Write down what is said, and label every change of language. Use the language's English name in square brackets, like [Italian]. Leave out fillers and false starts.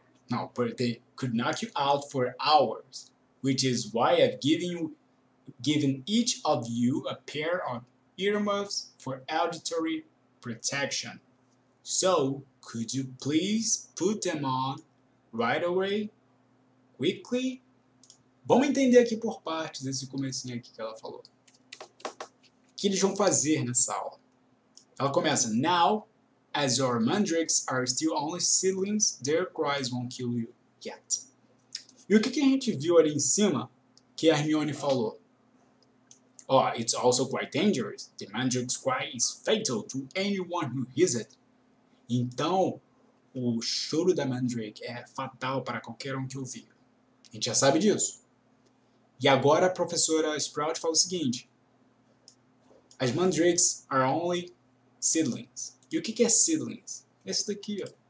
[English] Now, but they could knock you out for hours, which is why I've given each of you a pair of earmuffs for auditory protection. So, Could you please put them on right away, quickly? [Portuguese] Vamos entender aqui por partes esse comecinho aqui que ela falou. O que eles vão fazer nessa aula? Ela começa, [English] now, as your mandrakes are still only seedlings, their cries won't kill you yet. [Portuguese] E o que, que a gente viu ali em cima que a Hermione falou? [English] Oh, it's also quite dangerous. The mandrake's cry is fatal to anyone who hears it. [Portuguese] Então, o choro da mandrake é fatal para qualquer um que ouvir. A gente já sabe disso. E agora a professora Sprout fala o seguinte. [English] As mandrakes are only seedlings. [Portuguese] E o que é seedlings? Esse daqui, ó.